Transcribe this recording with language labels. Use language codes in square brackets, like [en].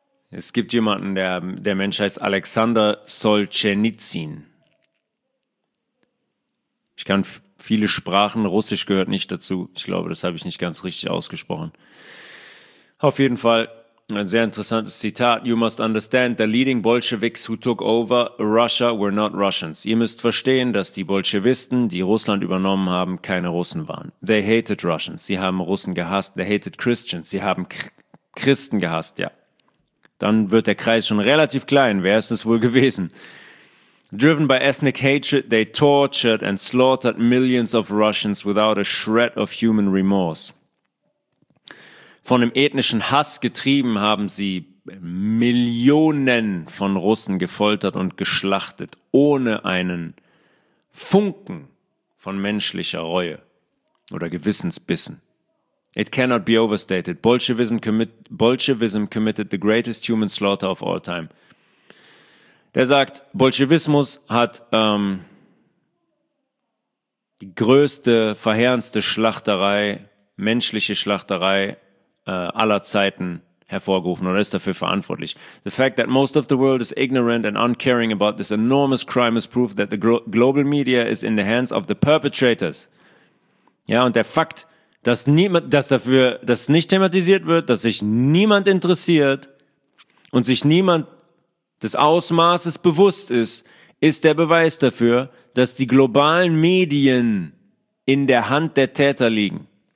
[de] Es gibt jemanden, der Mensch heißt Alexander Solzhenitsyn. Ich kann viele Sprachen, Russisch gehört nicht dazu. Ich glaube, das habe ich nicht ganz richtig ausgesprochen. Auf jeden Fall ein sehr interessantes Zitat. [en] You must understand, the leading Bolsheviks who took over Russia were not Russians. [de] Ihr müsst verstehen, dass die Bolschewisten, die Russland übernommen haben, keine Russen waren. [en] They hated Russians. [de] Sie haben Russen gehasst. [en] They hated Christians. [de] Sie haben Christen gehasst, ja. Dann wird der Kreis schon relativ klein. Wer ist es wohl gewesen? [en] Driven by ethnic hatred, they tortured and slaughtered millions of Russians without a shred of human remorse. [de] Von dem ethnischen Hass getrieben haben sie Millionen von Russen gefoltert und geschlachtet, ohne einen Funken von menschlicher Reue oder Gewissensbissen. [en] It cannot be overstated. Bolschewism committed the greatest human slaughter of all time. [de] Der sagt, Bolschewismus hat die größte, verheerendste menschliche Schlachterei, aller Zeiten hervorgerufen oder ist dafür verantwortlich. [en] The fact that most of the world is ignorant and uncaring about this enormous crime is proof that the global media is in the hands of the perpetrators. [de] Ja, und der Fakt, dass nicht thematisiert wird, dass sich niemand interessiert und sich niemand des Ausmaßes bewusst ist, ist der Beweis dafür, dass die globalen Medien in der Hand der Täter liegen.